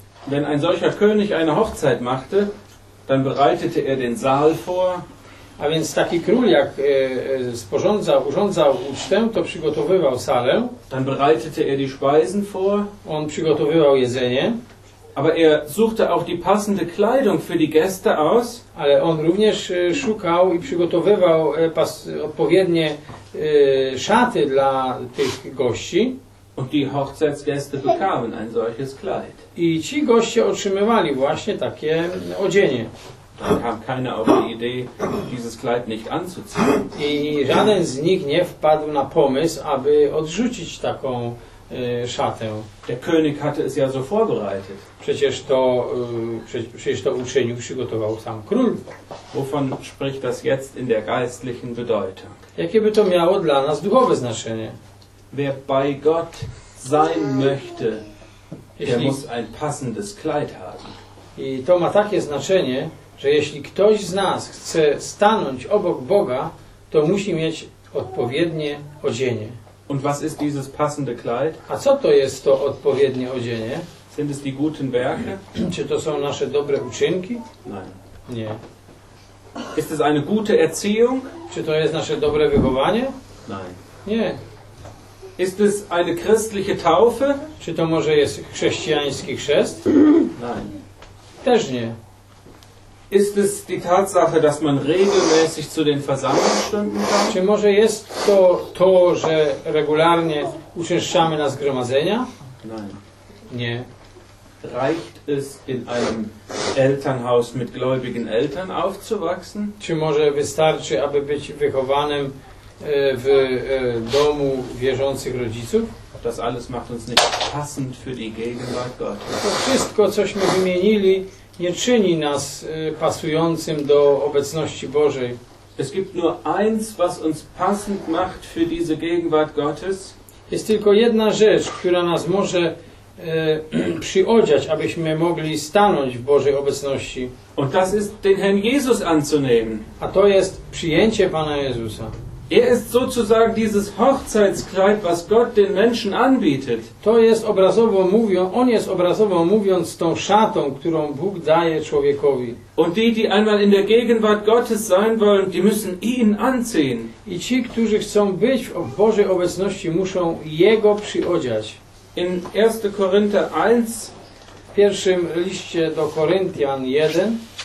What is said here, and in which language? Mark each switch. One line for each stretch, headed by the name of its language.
German: Wenn ein solcher König eine Hochzeit machte, dann bereitete er den Saal vor.
Polish: A więc taki król, jak sporządzał, urządzał ucztę, to przygotowywał salę.
German: Dann bereitete er die Speisen vor.
Polish: On przygotowywał jedzenie.
German: Aber er suchte auch die passende Kleidung für die Gäste aus.
Polish: Ale on również szukał i przygotowywał odpowiednie szaty dla tych gości.
German: Und die Hochzeitsgäste bekamen ein solches Kleid.
Polish: I ci goście otrzymywali właśnie takie odzienie.
German: Dann kam keiner auf die Idee, dieses Kleid nicht anzuziehen.
Polish: I żaden z nich nie wpadł na pomysł, aby odrzucić taką szatę.
German: Der König hatte es ja so vorbereitet.
Polish: Przecież to, przecież to uczynił, przygotował sam król.
German: Wovon spricht das jetzt in der geistlichen Bedeutung?
Polish: Jakie by to miało dla nas duchowe znaczenie?
German: Wer bei Gott sein möchte, der muss ein passendes Kleid haben.
Polish: I to ma takie znaczenie, że jeśli ktoś z nas chce stanąć obok Boga, to musi mieć odpowiednie odzienie.
German: Und was ist dieses passende Kleid?
Polish: A co to jest to odpowiednie odzienie?
German: Sind es die guten Werke?
Polish: Czy to są nasze dobre uczynki?
German: Nein.
Polish: Nie.
German: Ist es eine gute Erziehung?
Polish: Czy to jest nasze dobre wychowanie?
German: Nein.
Polish: Nie.
German: Ist es eine christliche Taufe?
Polish: Czy to może jest chrześcijański chrzest?
German: Nein.
Polish: Też nie.
German: Ist es die Tatsache, dass man regelmäßig zu den Versammlungsstunden kommt?
Polish: Czy może jest to to, że regularnie uczęszczamy na zgromadzenia?
German: Nein.
Polish: Nie.
German: Reicht es, in einem Elternhaus mit gläubigen Eltern aufzuwachsen?
Polish: Czy może wystarczy, aby być wychowanym w domu wierzących rodziców?
German: Das alles macht uns nicht passend für die Gegenwart Gottes.
Polish: To wszystko, cośmy wymienili, nie czyni nas pasującym do obecności Bożej.
German: Es gibt nur eins, was uns passend macht für diese Gegenwart Gottes.
Polish: Jest tylko jedna rzecz, która nas może przyodziać, abyśmy mogli stanąć w Bożej obecności.
German: Und das ist den Herrn Jesus anzunehmen.
Polish: A to jest przyjęcie Pana Jezusa.
German: Er ist sozusagen dieses Hochzeitskleid, was Gott den Menschen anbietet.
Polish: To jest obrazowo mówiąc, on jest obrazowo mówiąc tą szatą, którą Bóg daje człowiekowi.
German: Und die, die einmal in der Gegenwart Gottes sein wollen, die müssen ihn anziehen.
Polish: I ci, którzy chcą być w Bożej obecności, muszą jego przyodziać.
German: In 1. Korinther 1,
Polish: w pierwszym liście do Koryntian 1,